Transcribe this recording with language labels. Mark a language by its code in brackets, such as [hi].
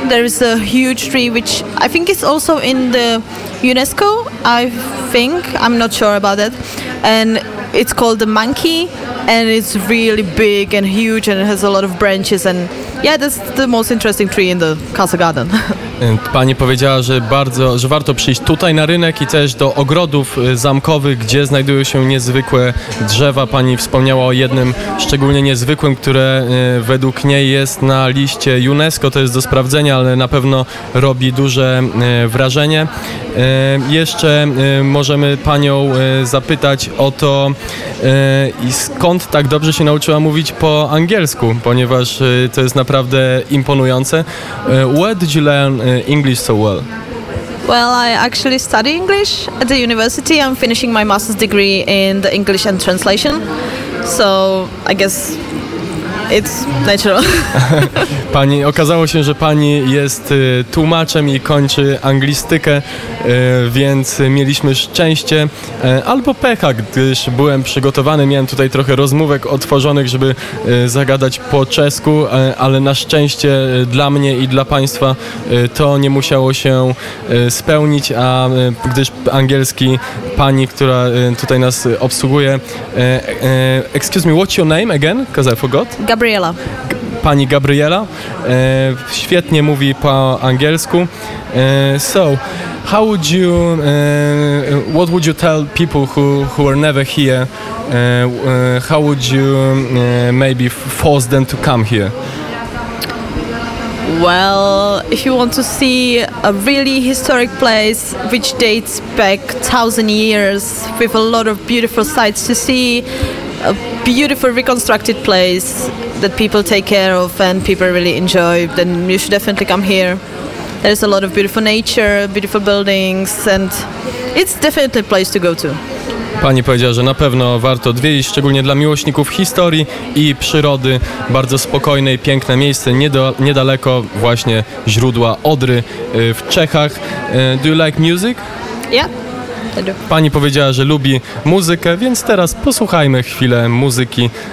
[en] There is a huge tree which I think is also in the UNESCO, I'm not sure about that. And it's called the monkey, and it's really big and huge, and it has a lot of branches, and yeah, that's the most interesting tree in the castle garden. [pl] Pani powiedziała, że warto przyjść tutaj na rynek i też do ogrodów zamkowych, gdzie znajdują się niezwykłe drzewa. Pani wspomniała o jednym szczególnie niezwykłym, które według niej jest na liście UNESCO. To jest do sprawdzenia, ale na pewno robi duże wrażenie. Jeszcze możemy panią zapytać o to, skąd tak dobrze się nauczyła mówić po angielsku, ponieważ to jest naprawdę imponujące. [en] Where did you learn English so well? Well, I actually study English at the university. I'm finishing my master's degree in the English and translation, so I guess it's natural. [pl] Pani, okazało się, że pani jest tłumaczem i kończy anglistykę, więc mieliśmy szczęście albo pecha, gdyż byłem przygotowany, miałem tutaj trochę rozmówek otworzonych, żeby zagadać po czesku, ale na szczęście dla mnie i dla państwa to nie musiało się spełnić, a gdyż angielski pani, która tutaj nas obsługuje. [en] Excuse me, what's your name again? Because I forgot. Gabriela. [pl] pani Gabriela. Świetnie mówi po angielsku. [en] So, how would you, what would you tell people who are never here? How would you maybe force them to come here? Well, if you want to see a really historic place which dates back 1,000 years with a lot of beautiful sights to see, a beautiful reconstructed place that people take care of and people really enjoy, then you should definitely come here. There's a lot of beautiful nature, beautiful buildings, and it's definitely a place to go to. [pl] Pani powiedziała, że na pewno warto odwiedzić, szczególnie dla miłośników historii i przyrody. Bardzo spokojne i piękne miejsce, niedaleko właśnie źródła Odry w Czechach. [en] Do you like music? Yeah, I do. [pl] Pani powiedziała, że lubi muzykę, więc teraz posłuchajmy chwilę muzyki.